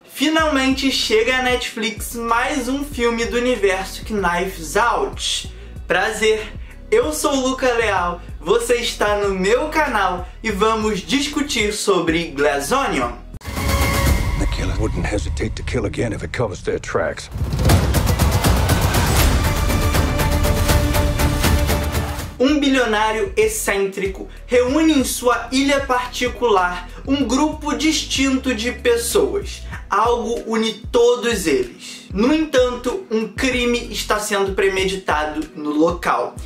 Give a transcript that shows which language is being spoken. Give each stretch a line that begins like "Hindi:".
Portuguese: Finalmente chega à Netflix mais um filme do universo Knives Out. Prazer, eu sou o Luca Leal, você está no meu canal e vamos discutir sobre Glass Onion.
English: The killer wouldn't hesitate to kill again if it covers their tracks.
Portuguese: Um bilionário excêntrico reúne em sua ilha particular um grupo distinto de pessoas. Algo une todos eles. No entanto, um crime está sendo premeditado no local.